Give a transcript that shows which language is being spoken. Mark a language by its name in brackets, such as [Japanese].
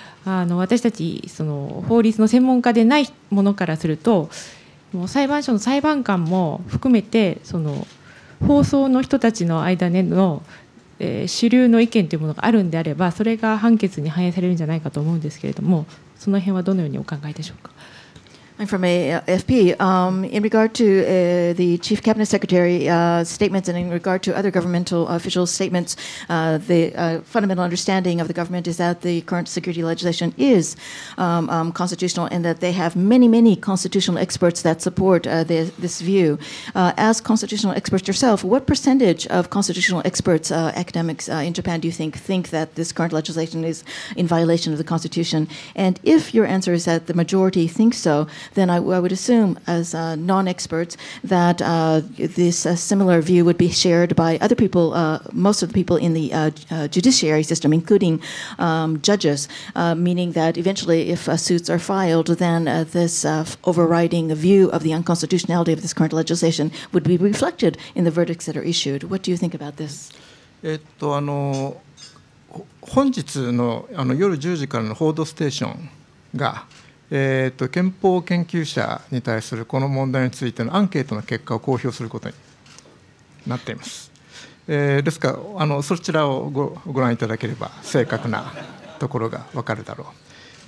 [Japanese] 私たちその法律の専門家でないものからすると、もう裁判所の裁判官も含めてその放送の人たちの間での主流の意見というものがあるんであれば、それが判決に反映されるんじゃないかと思うんですけれども、その辺はどのようにお考えでしょうか。 [English] From AFP, in regard to the Chief Cabinet Secretary statements and in regard to other governmental official statements, the fundamental understanding of the government is that the current security legislation is constitutional and that they have many, many constitutional experts that support this view. As constitutional experts yourself, what percentage of constitutional experts, academics in Japan, do you think that this current legislation is in violation of the Constitution? And if your answer is that the majority thinks so, then I would assume, as non-experts, that this similar view would be shared by other people, most of the people in the judiciary system, including judges, meaning that eventually, if suits are filed, then this overriding view of the unconstitutionality of this current legislation would be reflected in the verdicts that are issued. What do you think about this? [Japanese] 本日の、夜10時からの報道ステーションが、憲法研究者に対するこの問題についてのアンケートの結果を公表することになっています。ですから、そちらを ご覧いただければ正確なところが分かるだろう。